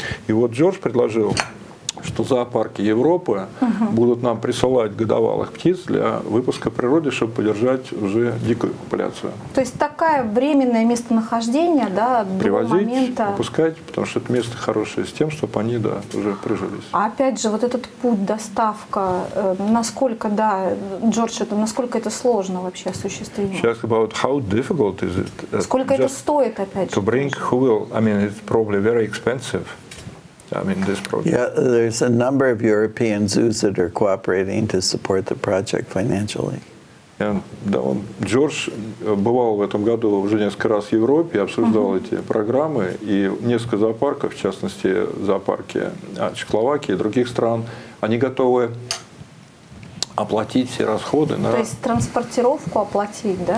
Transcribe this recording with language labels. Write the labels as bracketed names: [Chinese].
[Russian] И вот Джордж предложил, что зоопарки Европы будут нам присылать годовалых птиц для выпуска в природе, чтобы поддержать уже дикую популяцию. То есть такое временное местонахождение, да, привозить, до момента... выпускать, потому что это место хорошее с тем, чтобы они, да, уже прижились. А опять же, вот этот путь, доставка, насколько, да, Джордж, это, насколько это сложно вообще осуществить? [English] Just about how difficult is it? [Russian] Сколько это стоит, опять же? [English] To bring who will, I mean, it's probably very expensive. I mean, this project. Yeah, there's a number of European zoos that are cooperating to support the project financially. [Russian] And да, он, Джордж бывал в этом году уже несколько раз в Европе, обсуждал эти программы, и несколько зоопарков, в частности зоопарки Чехословакии и других стран, они готовы оплатить все расходы. То есть транспортировку оплатить, да?